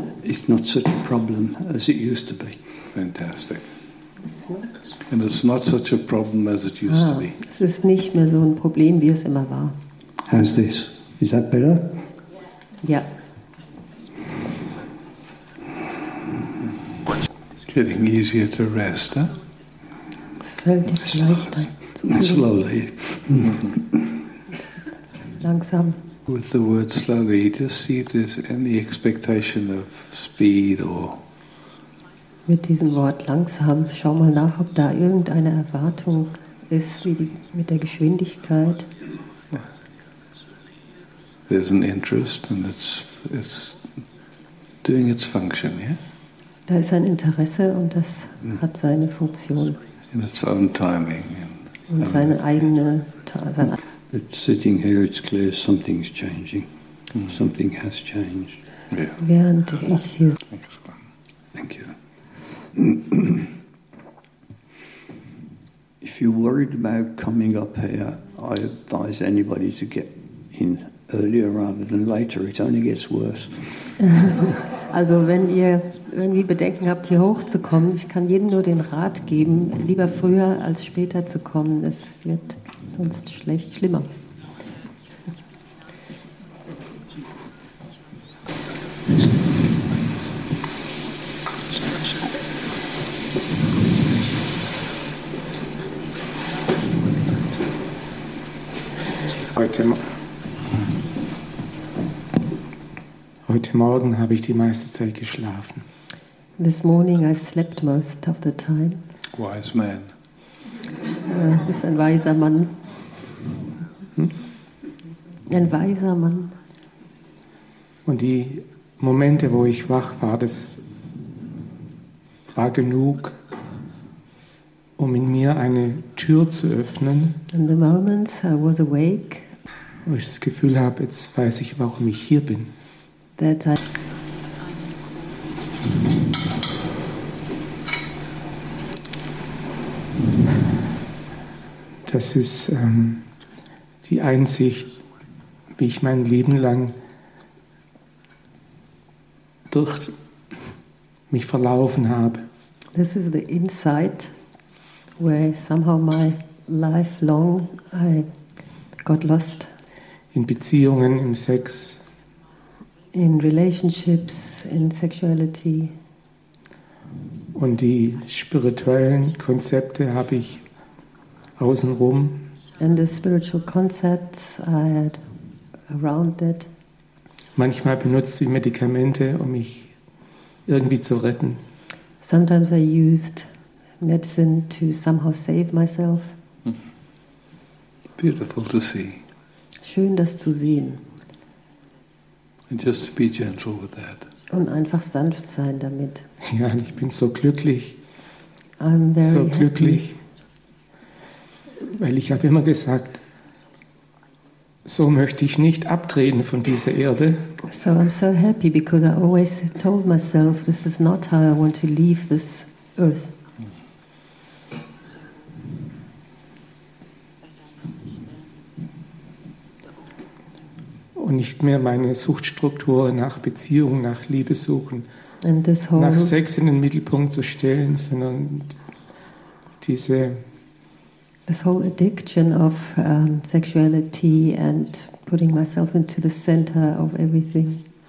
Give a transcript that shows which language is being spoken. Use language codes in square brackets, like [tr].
[en] It's not such a problem as it used to be. Fantastic. And it's not such a problem as it used to be. [de] Es ist nicht mehr so ein Problem, wie es immer war. [en] How's this? Is that better? [de] Ja. [en] getting easier to rest, huh? [de] Es fällt dir vielleicht ein. [en] Slowly. [de] Langsam. [en] With the word slowly, just see if there's any expectation of speed or. [de] Mit diesem Wort langsam, schau mal nach, ob da irgendeine Erwartung ist, wie die, mit der Geschwindigkeit. [en] There's an interest and it's doing its function, yeah? [de] Da ist ein Interesse und das hat seine Funktion. [en] In its own timing. [de] Und seine eigene. [en] But sitting here, it's clear something's changing. Mm-hmm. Something has changed. Yeah. [de] Während ich hier. [en] Thank you. If you're worried about coming up here, I advise anybody to get in earlier rather than later. It only gets worse. [de] Also wenn ihr irgendwie Bedenken habt, hier hochzukommen, ich kann jedem nur den Rat geben, lieber früher als später zu kommen. Es wird sonst schlimmer. Heute Morgen habe ich die meiste Zeit geschlafen. [en] This morning I slept most of the time. Wise man. [de] Du bist ein weiser Mann. Ein weiser Mann. Und die Momente, wo ich wach war, das war genug, um in mir eine Tür zu öffnen. [en] In the moments I was awake. [de] Wo ich das Gefühl habe, jetzt weiß ich, warum ich hier bin. [en] That I [de] das ist die Einsicht, wie ich mein Leben lang durch mich verlaufen habe. [en] This is the insight where somehow my life long I got lost. [de] In Beziehungen, im Sex. [en] In relationships, in sexuality. [de] Und die spirituellen Konzepte habe ich außenrum. [en] And the spiritual concepts I had around that. [de] Manchmal benutzt wie Medikamente, um mich irgendwie zu retten. [en] Sometimes I used medicine to somehow save myself. Beautiful to see. [de] Schön, das zu sehen. [en] And just to be gentle with that. [de] Und einfach sanft sein damit. Ja, ich bin so glücklich. [en] I'm very [de] so glücklich. [en] Happy. [de] Weil ich habe immer gesagt, so möchte ich nicht abtreten von dieser Erde. [en] So I'm so happy because I always told myself this is not how I want to leave this earth. [de] Und nicht mehr meine Suchtstruktur nach Beziehung, nach Liebe suchen, nach Sex in den Mittelpunkt zu stellen, sondern diese [en] this whole addiction of sexuality and putting myself into the center of everything.